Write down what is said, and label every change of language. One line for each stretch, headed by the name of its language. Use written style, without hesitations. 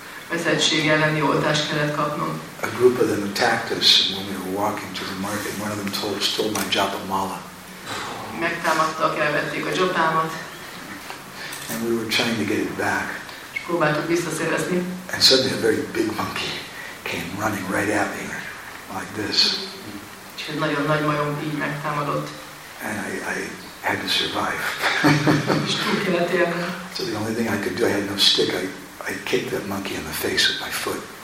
Hungarian: Veszettség elleni oltást kellett kapnom.
English: A group of them attacked us when we were walking to the market. One of them stole my japa mala.
Hungarian: Megtámadtak, elvették a japámat.
English: And we were trying to get it back.
Hungarian: És próbáltuk visszaszerezni.
English: And suddenly a very big monkey came running right at me, like this.
Hungarian: És egy nagyon nagy majom így megtámadott.
English: And I had to survive.
Hungarian: És túl kellett élni.
English: So the only thing I could do, I had no stick. I kicked that monkey in the face with my foot.